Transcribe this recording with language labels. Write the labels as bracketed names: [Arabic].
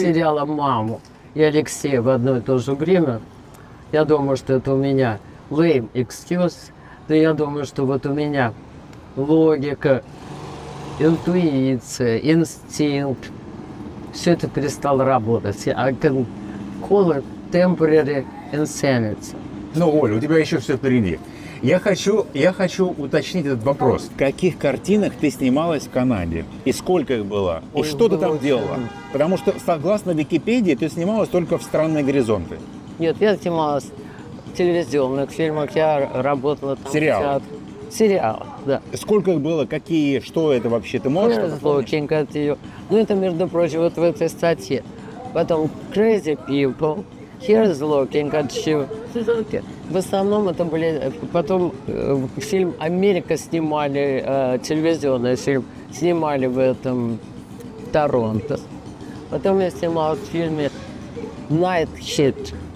[Russian] я потеряла маму и Алексея в одно и то же время, я думаю, что это у меня [English] lame excuse, [Russian] но я думаю, что вот у меня логика, интуиция, инстинкт, все это перестало работать. [English] I can call it temporary insanity. [Russian] Ну, Оля, у тебя еще все впереди. Я хочу уточнить этот вопрос. В каких картинах ты снималась в Канаде? И сколько их было? И что ты там делала? Потому что, согласно Википедии, ты снималась только в «Странные горизонты». Нет, я снималась в телевизионных фильмах. Я работала там сериал. В театре. Сериал, да. Сколько их было? Какие? Что это вообще? Ты можешь что-то помнить? Looking at you. Ну, это, между прочим, вот в этой статье. Потом Crazy People. Here's Looking at You. В основном это были... Потом фильм «Америка» снимали, телевизионный фильм снимали в этом Торонто. Потом я снимал в фильме «Night Hit».